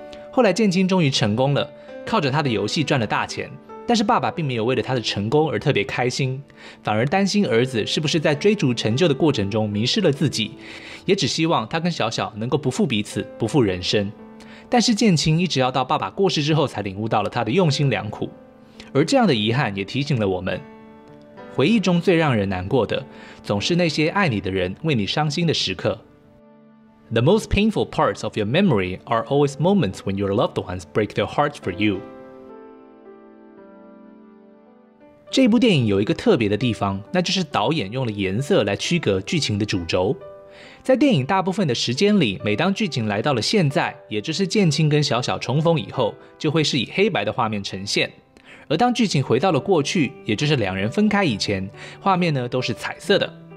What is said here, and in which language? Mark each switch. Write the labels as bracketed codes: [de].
[zh] 后来建青终于成功了，靠着他的游戏赚了大钱，但是爸爸并没有为了他的成功而特别开心，反而担心儿子是不是在追逐成就的过程中迷失了自己，也只希望他跟小小能够不负彼此，不负人生。但是建青一直要到爸爸过世之后才领悟到了他的用心良苦，而这样的遗憾也提醒了我们，回忆中最让人难过的，总是那些爱你的人为你伤心的时刻。 [en] The most painful parts of your memory are always moments when your loved ones break their hearts for you. [zh] 这部电影有一个特别的地方，那就是导演用了颜色来区隔剧情的主轴。在电影大部分的时间里，每当剧情来到了现在，也就是建青跟小小重逢以后，就会是以黑白的画面呈现。而当剧情回到了过去，也就是两人分开以前，画面呢都是彩色的。